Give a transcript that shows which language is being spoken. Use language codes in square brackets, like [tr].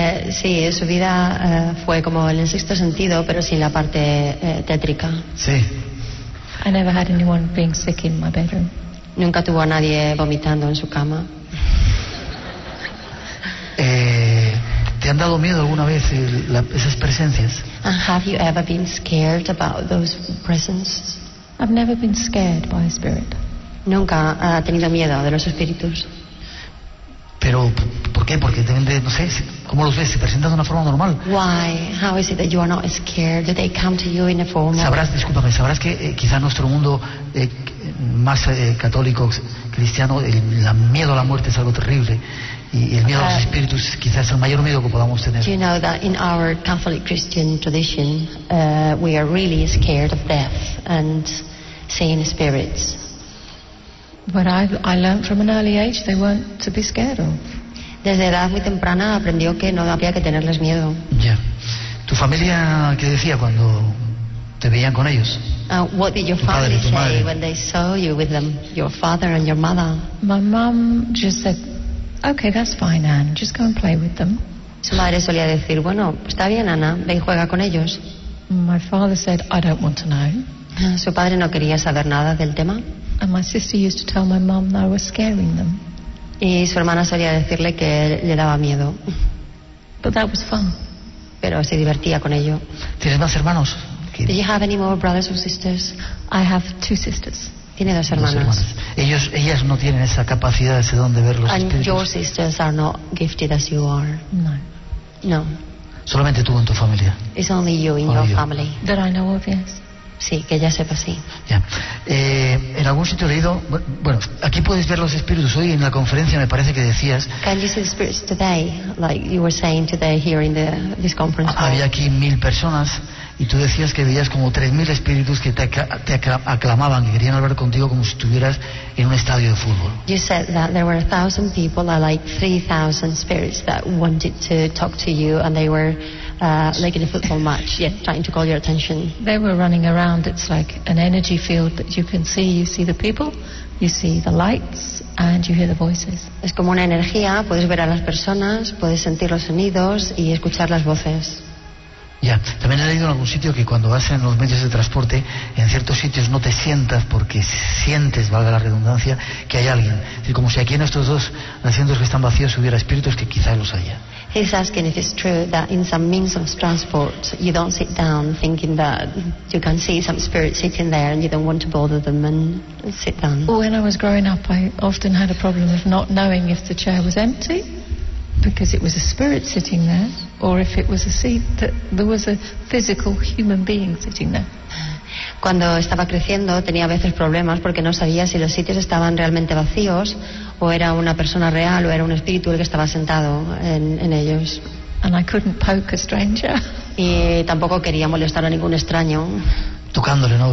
[es] Sí, su vida fue como el sexto sentido, pero sin la parte tétrica. Sí. [en] I never had anyone being sick in my bedroom. [es] Nunca tuvo a nadie vomitando en su cama. ¿Te han dado miedo alguna vez esas presencias? [en] And have you ever been scared about those presences? I've never been scared by a spirit. [es] Nunca ha tenido miedo de los espíritus. Pero ¿por qué? Porque no sé, ¿cómo los ves? ¿Se presentan de una forma normal? [en] Why? How is it that you are not scared? Do they come to you in a form? [es] Sabrás que quizá nuestro mundo más católico, cristiano, el miedo a la muerte es algo terrible y el miedo a los espíritus quizás es el mayor miedo que podamos tener. [en] Do you know that in our Catholic Christian tradition, we are really scared of death and seeing spirits? But I learned from an early age they weren't to be scared of. [es] Desde edad muy temprana aprendió que no había que tenerles miedo. Ya. Yeah. ¿Tu familia qué decía cuando te veían con ellos? [en] What did your family say when they saw you with them, your father and your mother? My mom just said, okay, that's fine, Anne, just go and play with them. [es] Su madre solía decir, bueno, está bien, Ana, ve y juega con ellos. [en] My father said, I don't want to know. [es] Su padre no quería saber nada del tema. [en] And my sister used to tell my mom that I was scaring them. [es] Y su hermana solía decirle que le daba miedo. [en] But that was fun. [es] Pero se divertía con ello. ¿Tienes más hermanos? [en] Do you have any more brothers or sisters? I have two sisters. [es] Tiene dos hermanos. Ellos, ellas no tienen esa capacidad, ese don de ver los [en] and [es] espíritus. [en] Your sisters are not gifted as you are. No. [es] Solamente tú en tu familia. [en] It's only you in your family. That I know of, yes. [es] Sí, que ya sepa, sí. Ya. En algún sitio he leído, bueno, aquí puedes ver los espíritus hoy en la conferencia, me parece que decías. [en] Can you see spirits today, like you were saying today here in the this conference? [es] Había aquí 1,000 personas y tú decías que veías como 3,000 espíritus que te aclamaban, que querían hablar contigo como si estuvieras en un estadio de fútbol. [en] You said that there were 1,000 people, like 3,000 spirits that wanted to talk to you, and they were like in a football match, yeah, trying to call your attention. They were running around. It's like an energy field that you can see. You see the people, you see the lights, and you hear the voices. [es] Es como una energía. Puedes ver a las personas, puedes sentir los sonidos y escuchar las voces. Ya, también he leído en algún sitio que cuando vas en los medios de transporte, en ciertos sitios no te sientas porque sientes, valga la redundancia, que hay alguien. Es decir, como si aquí en estos dos asientos que están vacíos hubiera espíritus que quizás los haya. [en] He's asking if it's true that in some means of transport you don't sit down thinking that you can see some spirit sitting there and you don't want to bother them and sit down. When I was growing up, I often had a problem of not knowing if the chair was empty because it was a spirit sitting there, or if it was a seat that there was a physical human being sitting there. [es] Cuando estaba creciendo tenía a veces problemas porque no sabía si los sitios estaban realmente vacíos o era una persona real o era un espíritu el que estaba sentado en ellos. [en] And I couldn't poke a stranger. [es] Y tampoco quería molestar a ningún extraño. Tocándole, ¿no?